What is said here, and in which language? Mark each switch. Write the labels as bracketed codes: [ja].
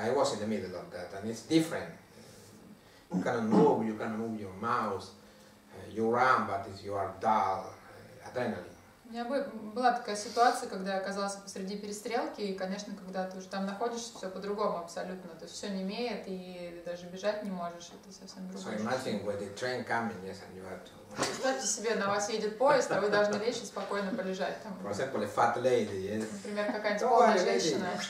[en] I was in the middle of that, and it's different. You cannot move. You cannot move your mouse. You run, but if you are dull, adrenaline. [ru] У меня была такая ситуация, когда я оказалась посреди перестрелки, и, конечно, когда ты уже там находишься, все по-другому абсолютно. То есть все немеет, и даже бежать не можешь, это совсем другое. [en] So imagine when the train coming, yes, and you have to... [ru] Представьте себе, на вас едет поезд, а вы должны лечь и спокойно полежать там. [en] For example, a fat lady, yes. [ru] Например, какая-нибудь полная женщина.